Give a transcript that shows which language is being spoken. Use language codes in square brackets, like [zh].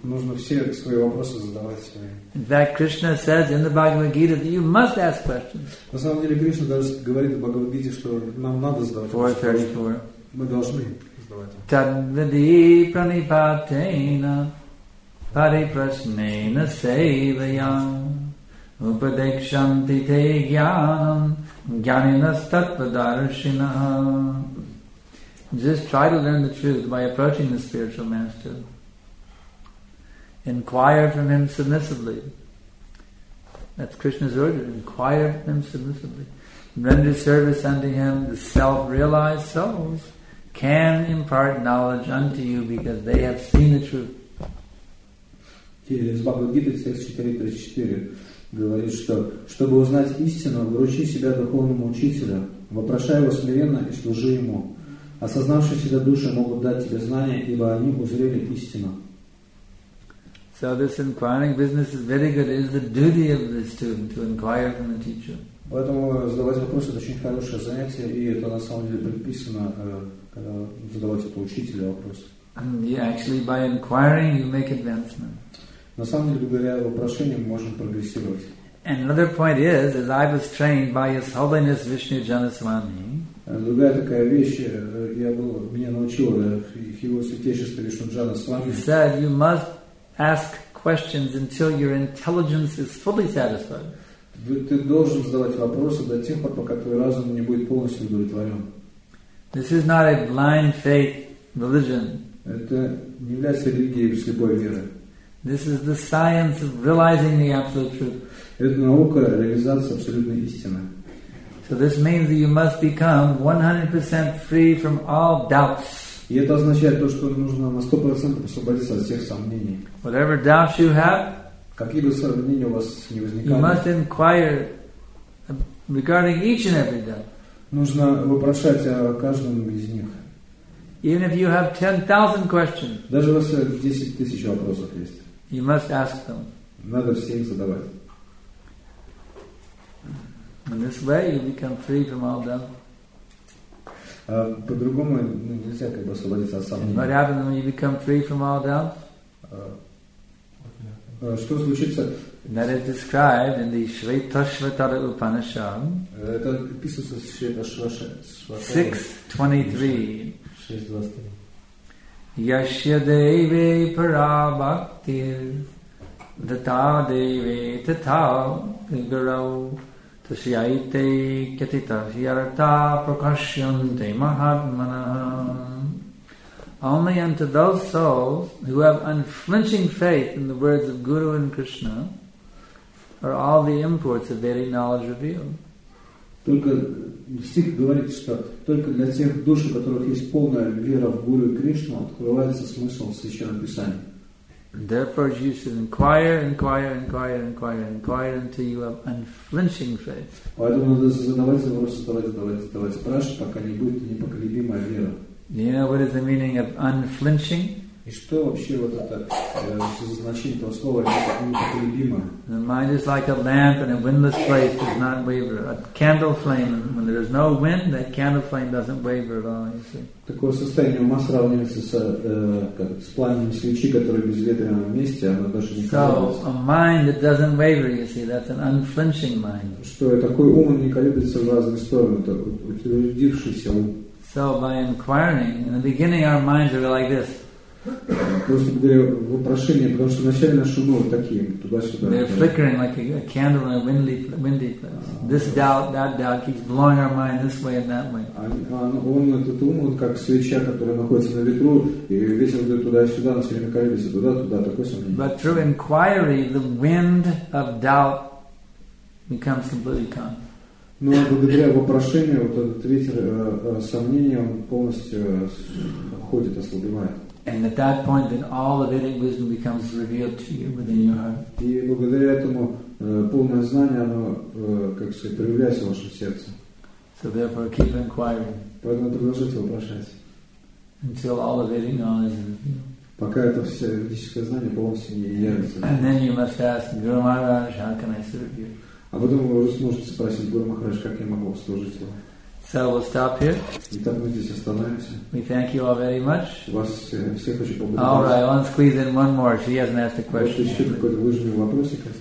[ru] Нужно все свои вопросы задавать себе. [en] In fact, Krishna says in the Bhagavad Gita that you must ask questions. [ru] На самом деле Кришна даже говорит в Бхагавад Гите, что нам надо задавать вопросы. 434. Мы должны. [sa] Tadvidi pranipatena pariprasnena sevayam upadekshanti te jnanam jnaninas tatvadarshinah. [en] Just try to learn the truth by approaching the spiritual master. Inquire from him submissively. That's Krishna's order. Inquire from him submissively. Render service unto him, the self-realized souls can impart knowledge unto you because they have seen the truth. [ru] Через Бхагавад Гиту 6.4.34 говорит, что чтобы узнать истину, вручи себя духовному учителю, вопрошай его смиренно и служи ему. Осознавшие себя души могут дать тебе знания, ибо они узрели истину. [en] So this inquiring business is very good. It is the duty of the student to inquire from the teacher. [ru] Поэтому задавать вопросы — это очень хорошее занятие, и это на самом деле предписано, когда задавать это учителю вопрос. [en] And you actually by inquiring you make advancement. [ru] На самом деле, благодаря вопрошениям мы можем прогрессировать. [en] And another point is, as I was trained by His Holiness Vishnu Janaswami. [ru] Другая такая вещь, я был, меня научил Его Святейшество Вишну Джанасвами. [en] He said, you must ask questions until your intelligence is fully satisfied. [ru] Ты должен задавать вопросы до тех пор, пока твой разум не будет полностью удовлетворен. [en] This is not a blind faith religion. [ru] Это не является религией слепой веры. [en] This is the science of realizing the absolute truth. [ru] Это наука реализации абсолютной истины. [en] So this means that you must become 100% free from all doubts. [ru] И это означает то, что нужно на 100% освободиться от всех сомнений. [en] Whatever doubts you have, [ru] какие бы сомнения у вас не возникали, [en] you must inquire regarding each and every doubt. [ru] Нужно вопрошать о каждом из них. [en] Even if you have 10,000 questions, [ru] даже если 10,000 вопросов есть, [en] you must ask them. [ru] Надо все их задавать. [en] In this way, you become free from all doubt. [ru] По-другому нельзя как бы освободиться от сомнений. [en] What happens when you become free from all doubt? [ru] Что случится? [en] That is described in the Shvetashvatara Upanishad. [ru] Это описывается в Shvetashvatara. 6:23. [sa] Yashya deve para bhaktir tata deve tata gurau tasyaite katita hyarta prakashyante mahatmanah. [en] Only unto those souls who have unflinching faith in the words of Guru and Krishna are all the imports of Vedic knowledge revealed. [ru] Только стих говорит, что только для тех душ, у которых есть полная вера в Гуру и Кришну, открывается смысл Священного Писания. [en] Therefore you should inquire, inquire, inquire, inquire, inquire until you have unflinching faith. [ru] Поэтому надо задавать вопросы, задавать, спрашивать, пока не будет непоколебимая вера. [en] Do you know what is the meaning of unflinching? [ru] И что вообще вот это значение этого слова непоколебимое? [en] The mind is like a lamp in a windless place, does not waver. A candle flame, when there is no wind, that candle flame doesn't waver at all, you see. [ru] Такое состояние ума сравнивается с пламенем свечи, которая без ветра на месте, она даже не колеблется. [en] So a mind that doesn't waver, you see, that's an unflinching mind. [ru] Что такой ум не колеблется в разные стороны, утвердившийся ум. [en] So by inquiring, in the beginning our minds are like this. [ru] Просто благодаря вопрошению, потому что вначале наши умы вот такие, туда-сюда. [en] They're flickering like a candle in a windy place. This doubt, that doubt keeps blowing our mind this way and that way. [ru] Он этот ум, вот как свеча, которая находится на ветру, и ветер идет туда-сюда, она все время колеблется туда-туда, такое сомнение. [en] But through inquiry, the wind of doubt becomes completely calm. [ru] Но благодаря вопрошению, вот этот ветер сомнения, он полностью уходит, ослабевает. [en] And at that point, then all the Vedic wisdom becomes revealed to you within your heart. [ru] И благодаря этому полное знание, оно, как сказать, проявляется в вашем сердце. [en] So therefore, keep inquiring. [ru] Поэтому продолжайте вопрошать. [en] Until all the Vedic knowledge is revealed. [ru] Пока это все ведическое знание полностью не явится. [en] And then you must ask Guru Maharaj, how can I serve you? [ru] А потом вы сможете спросить Гуру Махарадж, как я могу служить вам. [en] So we'll stop here. [ru] Итак, мы здесь остановимся. [en] We thank you all very much. [ru] Вас всех очень благодарю. [en] All right, I'll squeeze in one more. She hasn't asked a question. [ru] Еще какой-то выжимный вопросик.